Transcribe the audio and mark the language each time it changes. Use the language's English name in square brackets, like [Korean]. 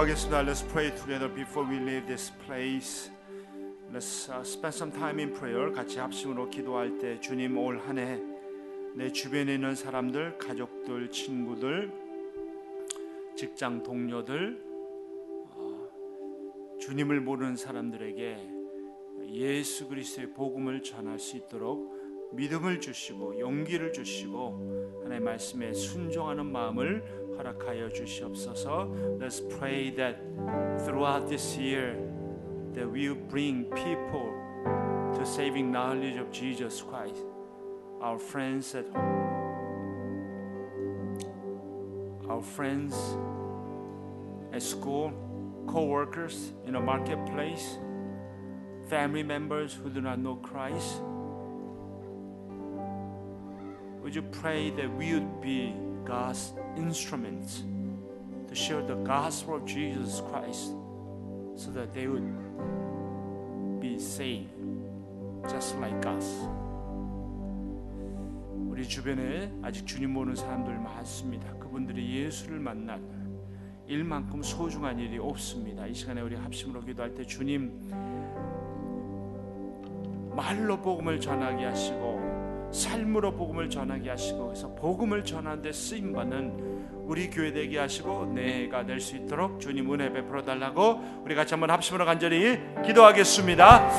[English] Let's pray together before we leave this place. Let's spend some time in prayer. [Korean] 같이 합심으로 기도할 때 주님 올 한 해 내 주변에 있는 사람들, 가족들, 친구들, 직장 동료들, 주님을 모르는 사람들에게 예수 그리스도의 복음을 전할 수 있도록 믿음을 주시고 용기를 주시고 하나님의 말씀에 순종하는 마음을 허락하여 주시옵소서. [English] Let's pray that throughout this year that we will bring people to saving knowledge of Jesus Christ, our friends at school, co-workers in the marketplace, family members who do not know Christ. Would you pray that we would be God's instruments to share the gospel of Jesus Christ so that they would be saved just like us. [Korean] 우리 주변에 아직 주님 모르는 사람들 많습니다. 그분들이 예수를 만날 일만큼 소중한 일이 없습니다. 이 시간에 우리 합심으로 기도할 때 주님 말로 복음을 전하게 하시고 삶으로 복음을 전하게 하시고 그래서 복음을 전하는 데 쓰임받는 우리 교회 되게 하시고 내가 될 수 있도록 주님 은혜 베풀어 달라고 우리 같이 한번 합심으로 간절히 기도하겠습니다.